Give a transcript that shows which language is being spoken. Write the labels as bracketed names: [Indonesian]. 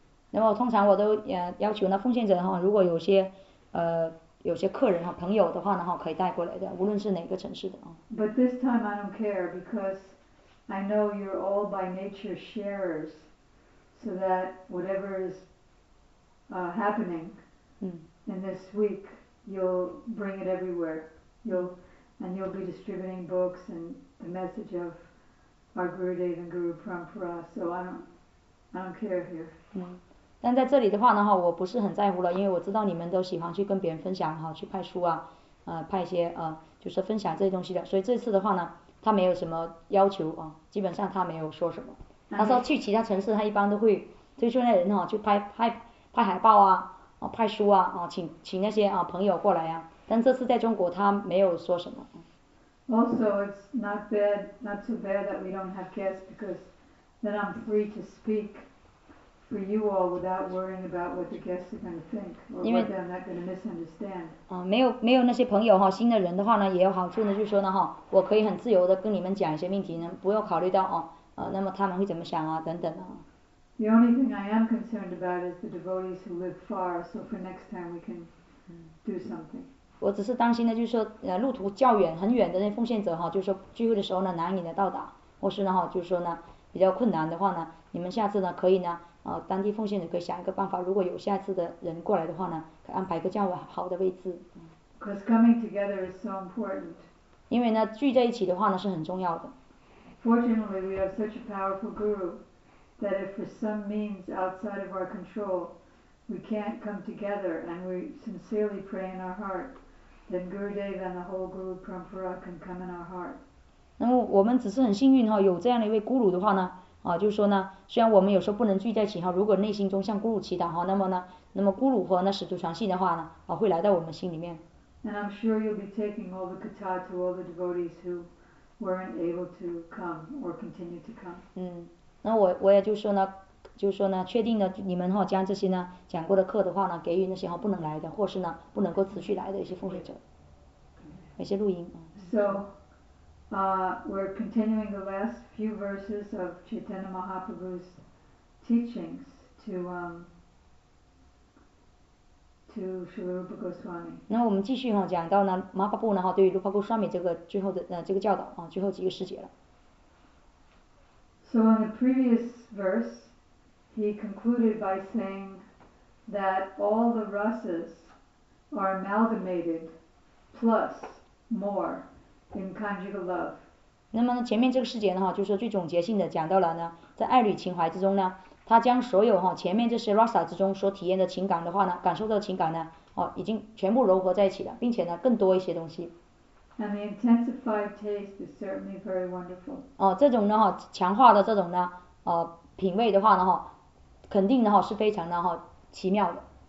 [Chinese] 然后通常我都要求呢，奉献者哈，如果有些有些客人哈、朋友的话呢哈，可以带过来的，无论是哪个城市的啊。 [English] But this time I don't care because I know you're all by nature sharers, so that whatever is happening in this week, you'll bring it everywhere. You'll be distributing books and the message of our Gurudev and Guru Parampara. So I don't care here. [Chinese] 但在这里的话呢，哈，我不是很在乎了，因为我知道你们都喜欢去跟别人分享，哈，去派书啊，派一些就是分享这些东西的。所以这次的话呢，他没有什么要求啊，基本上他没有说什么。他说去其他城市，他一般都会推出那人哈，去派海报啊，派书啊，请那些朋友过来呀。但这次在中国，他没有说什么。 [English] Also, it's not bad, not too bad that we don't have guests because then I'm free to speak for you all without worrying about what the guests are going to think or they're not going to misunderstand. [Chinese] 没有那些朋友哈，新的人的话呢，也有好处呢，就是说呢哈，我可以很自由的跟你们讲一些命题呢，不用考虑到那么他们会怎么想啊，等等啊。 [English] The only thing I am concerned about is the devotees who live far, so for next time we can do something. [Chinese] 我只是担心呢，就是说路途较远很远的那奉献者哈，就是说聚会的时候呢难以的到达，或是呢哈，就是说呢比较困难的话呢，你们下次呢可以呢。当地奉献者可以想一个办法，如果有下次的人过来的话呢，可以安排一个较好的位置。 [English] Because coming together is so important. [Chinese] 因为呢，聚在一起的话呢是很重要的。 [English] Fortunately, we have such a powerful guru that if for some means outside of our control, we can't come together and we sincerely pray in our heart, then Gurudev and the whole Guru Parampara can come in our heart. [Chinese] 那么我们只是很幸运哈，有这样的一位咕噜的话呢。就是说呢，虽然我们有时候不能聚在一起哈，如果内心中向咕噜祈祷哈，那么呢，那么咕噜和那使徒传信的话呢，会来到我们心里面。 [English] And I'm sure you'll be taking all the katha to all the devotees who weren't able to come or continue to come. [Chinese] 那我也就是说呢，确定了你们哈将这些呢讲过的课的话呢，给予那些哈不能来的，或是呢不能够持续来的一些奉献者，一些录音。 [English] So, we're continuing the last few verses of Chaitanya Mahaprabhu's teachings to Śrīla Rūpa Gosvāmī. [Chinese] 那我们继续哈，讲到呢，马巴布呢哈，对于卢帕库双米这个最后的这个教导啊，最后几个师姐了。 [English] So in the previous verse, he concluded by saying that all the rasas are amalgamated plus more in conjugal love. [Chinese] 那么呢，前面这个师姐呢，哈，就是最总结性的讲到了呢，在爱侣情怀之中呢，她将所有哈前面这些 rasa 之中所体验的情感的话呢，感受到的情感呢，已经全部融合在一起了，并且呢，更多一些东西。 [English] And the intensified taste is certainly very wonderful. [Chinese] 这种呢，哈，强化的这种呢，品味的话呢，哈，肯定的哈，是非常的哈，奇妙的。